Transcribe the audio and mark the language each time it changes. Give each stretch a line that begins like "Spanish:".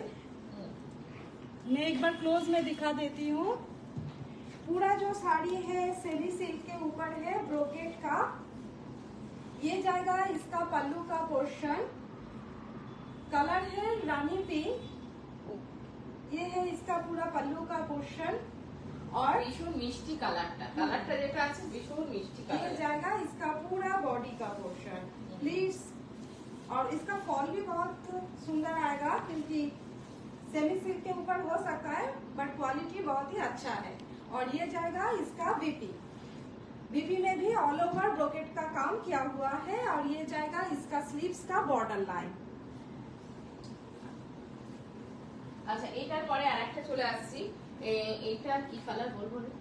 Hindi: मैं एक बार क्लोज में दिखा देती हूँ, पूरा जो साड़ी है सेमी सिल्क के ऊपर है ब्रोकेट का, ये जाएगा इसका पल्लू का पोर्शन, कलर है रानी पिंक, ये है इसका पूरा पल्लू का पोर्शन, और
Bangla: ভীষণ মিষ্টি কালারটা, কালারটা যেটা আছে ভীষণ মিষ্টি কালার,
Hindi: ये जाएगा इसका पूरा बॉडी का पोर्शन प्लीज, और इसका फॉल भी बहुत सुंदर आएगा, क्योंकि सेमी सिल्क के ऊपर हो सकता है बट क्वालिटी बहुत ही अच्छा है। और ये जाएगा इसका बीपी, बीपी में भी ऑल ओवर ब्रोकेट का काम किया हुआ है, और ये जाएगा इसका स्लीव्स का बॉर्डर लाइन।
Bangla: আচ্ছা, এটার পরে আরেকটা চলে আসছি, এইটা কি কালার বলবো,